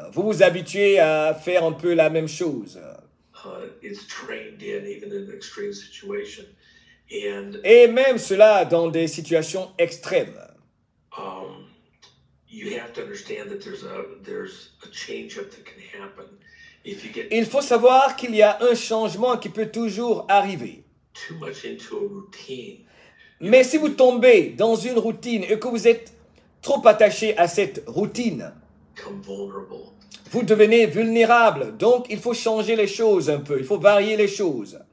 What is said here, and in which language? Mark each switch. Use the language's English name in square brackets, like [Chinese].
[French] Vous vous habituez à faire un peu la même chose. [English] It's trained in, even in extreme situation. And, [French] et même cela dans des situations extrêmes. [English] You have to understand that there's a change-up that can happen. If you get, [French] il faut savoir qu'il y a un changement qui peut toujours arriver. [English] Too much into a routine. [French] Mais si vous tombez dans une routine et que vous êtes trop attaché à cette routine, [English] become vulnerable. [French] Vous devenez vulnérable. Donc, il faut changer les choses un peu. Il faut varier les choses.